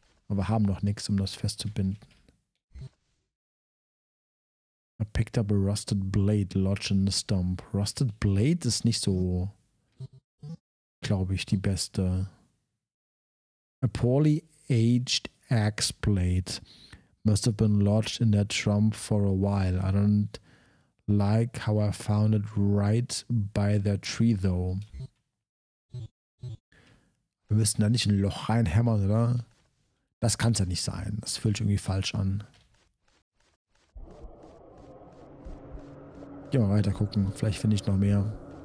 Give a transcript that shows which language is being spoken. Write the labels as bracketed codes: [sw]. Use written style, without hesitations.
[de] Aber wir haben noch nichts, um das festzubinden. [en] I picked up a rusted blade lodged in the stump. Rusted blade [de] ist nicht so, glaube ich, die beste. [en] A poorly aged axe blade must have been lodged in that stump for a while. I don't like how I found it right by the tree, though. [de] Wir müssen da nicht ein Loch reinhämmern, oder? Das kann es ja nicht sein. Das fühlt sich irgendwie falsch an. Geh mal weiter gucken. Vielleicht finde ich noch mehr.